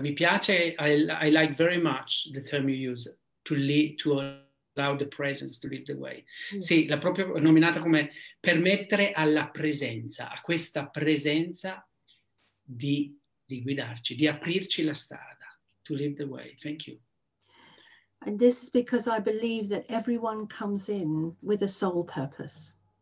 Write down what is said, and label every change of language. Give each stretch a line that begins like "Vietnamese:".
Italian: Mi piace,
English: I like very much the term you use, to allow the presence to lead the way. Yes.
Italian: Sì, l'ha proprio nominata come permettere alla presenza, a questa presenza di guidarci, di aprirci la strada.
English: To lead the way. Thank you. And this is because I believe that everyone comes in with a soul purpose.